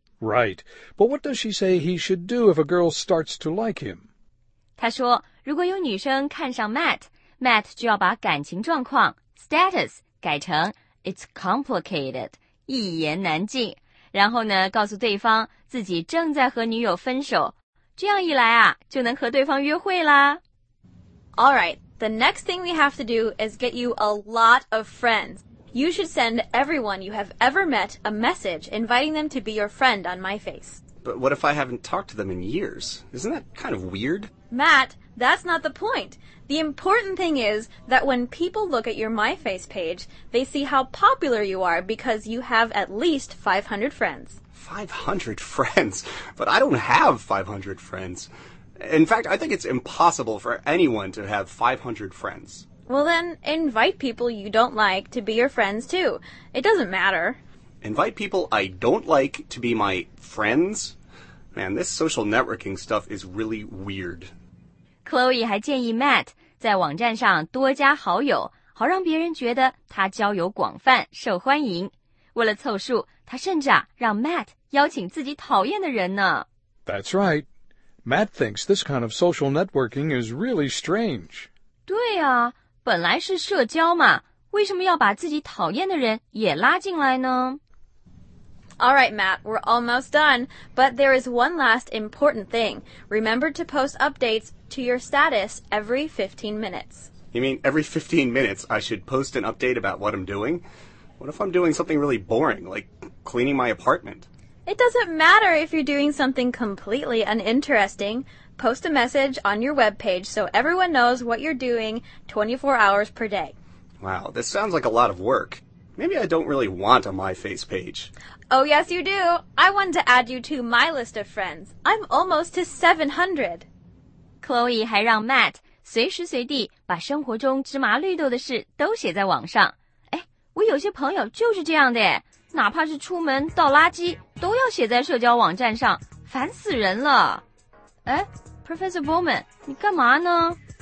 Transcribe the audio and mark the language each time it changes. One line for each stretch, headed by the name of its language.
English: Right, but what does she say he should do if a girl starts to like him?
Chinese: 她说，如果有女生看上 Matt,Matt 就要把感情状况 status 改成
English: it's complicated,
Chinese: 一言难尽。然后呢告诉对方自己正在和女友分手。这样一来啊就能和对方约会啦。
English: Alright, the next thing we have to do is get you a lot of friends. You should send everyone you have ever met a message inviting them to be your friend on my face. But what if I haven't talked to them in years? Isn't that kind of weird? Matt, that's not the point. The important thing is that when people look at your MyFace page, they see how popular you are because you have at least 500 friends. 500 friends? But I don't have 500 friends. In fact, I think it's impossible for anyone to have 500 friends. Well then, invite people you don't like to be your friends too. It doesn't matter. Invite people I don't like to be my friends? Man, this social networking stuff is really weird.
Chinese: Chloe 还建议 Matt 在网站上多加好友，好让别人觉得他交友广泛、受欢迎。为了凑数，他甚至啊让 Matt 邀请自己讨厌的人呢。
English: That's right. Matt thinks this kind of social networking is really strange.
Chinese: 对啊，本来是社交嘛，为什么要把自己讨厌的人也拉进来呢？
English: All right, Matt, we're almost done, but there is one last important thing. Remember to post updates to your status every 15 minutes. You mean every 15 minutes I should post an update about what I'm doing? What if I'm doing something really boring, like cleaning my apartment? It doesn't matter if you're doing something completely uninteresting. Post a message on your webpage so everyone knows what you're doing 24 hours per day. Wow, this sounds like a lot of work. Maybe I don't really want a MyFace page. Oh, yes, you do. I want to add you to my list of friends. I'm almost to 700.
Chinese: Chloe 还让 Matt 随时随地把生活中芝麻绿豆的事都写在网上。哎，我有些朋友就是这样的，哪怕是出门倒垃圾都要写在社交网站上，烦死人了。哎 ,Professor Bowman, 你干嘛呢？